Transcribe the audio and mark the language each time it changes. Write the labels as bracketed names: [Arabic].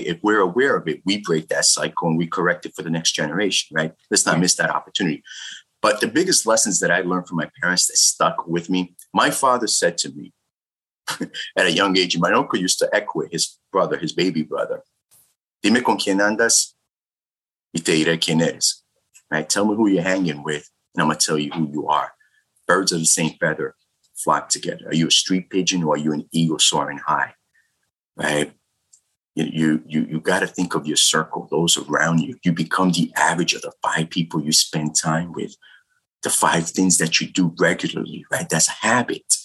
[English] If we're aware of it, we break that cycle and we correct it for the next generation, right? Let's not miss that opportunity. But the biggest lessons that I learned from my parents that stuck with me, my father said to me, at a young age, my uncle used to echo it, his brother, his baby brother. [Spanish] Dime con quién andas y te diré quién eres. [English] Right? Tell me who you're hanging with and I'm going to tell you who you are. Birds of the same feather flock together. Are you a street pigeon or are you an eagle soaring high? Right? You got to think of your circle, those around you. You become the average of the five people you spend time with, the five things that you do regularly, right? That's a habit.